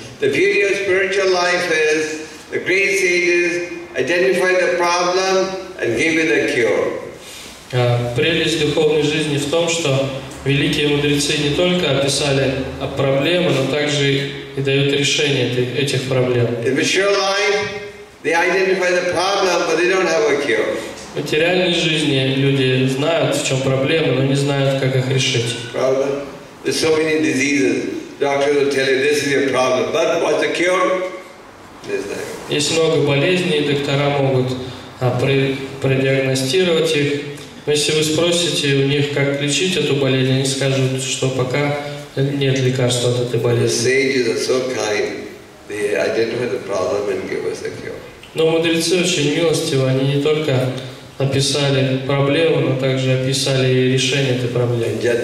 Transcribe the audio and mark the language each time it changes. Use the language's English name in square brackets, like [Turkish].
[English] The beauty of spiritual life is the great sages identify the problem and give you the cure. [Russian] Прелесть духовной жизни в том, что великие мудрецы не только описали проблемы, но также и дают решение этих проблем. [English] In mature life, they identify the problem, but they don't have a cure. [Russian] В материальной жизни люди знают, в чем проблема, но не знают, как их решить. Правда? [English] There's so many diseases. Doctors will tell you this is your problem, but what's the cure? Nothing. [Russian] Есть много болезней, доктора могут продиагностировать их. Но если вы спросите у них, как лечить эту болезнь, они скажут, что пока нет лекарства от этой болезни. [English] The sages are so kind. They identify the problem and give us the cure. [Russian] Но мудрецы очень милостивы, они не только описали проблему, но также описали и решение этой проблемы.